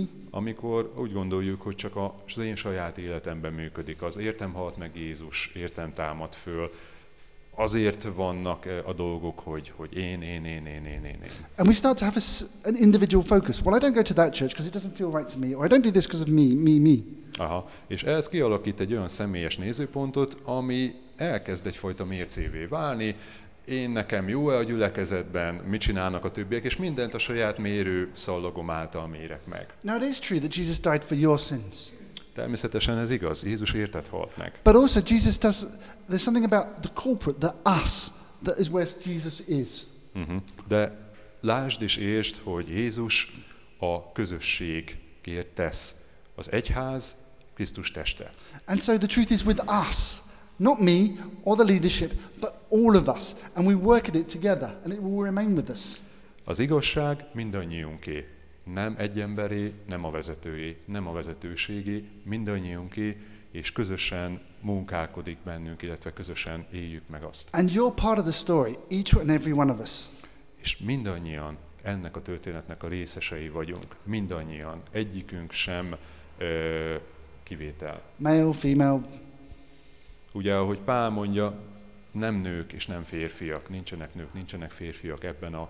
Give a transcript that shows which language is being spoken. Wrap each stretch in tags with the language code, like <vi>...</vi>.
<hu>Amikor úgy gondoljuk, hogy csak az én saját életemben működik, az értem halt meg Jézus, értem támad föl, azért vannak a dolgok, hogy én.</hu> <en>And we start to have an individual focus. Well, I don't go to that church because it doesn't feel right to me, or I don't do this because of me. Aha.</en> <hu>És ez kialakít egy olyan személyes nézőpontot, ami elkezd egyfajta mércévé válni. Én nekem jó-e a gyülekezetben, mit csinálnak a többiek, és mindent a saját mérő szallagom által mérek meg.</hu> <en>Now it is true that Jesus died for your sins.</en> <hu>Természetesen ez igaz. Jézus érted halt meg.</hu> <en>But also Jesus does, there's something about the corporate, the us, that is where Jesus is.</en> <hu>De lásd és értsd, hogy Jézus a közösségért tesz. Az egyház, Krisztus teste.</hu> <en>And so the truth is with us. Not me or the leadership, but all of us, and we work at it together, and it will remain with us.</en> <hu>Az igazság mindannyiunké, nem egy emberé, nem a vezetőé, nem a vezetőségé, mindannyiunké, és közösen munkálkodik bennünk, illetve közösen éljük meg azt.</hu> <en>And you're part of the story, each and every one of us.</en> <hu>És mindannyian ennek a történetnek a részesei vagyunk, mindannyian, egyikünk sem kivétel.</hu> <en>Male, female.</en> <hu>Ugye, ahogy Pál mondja, nem nők és nem férfiak, nincsenek nők, nincsenek férfiak ebben a...</hu>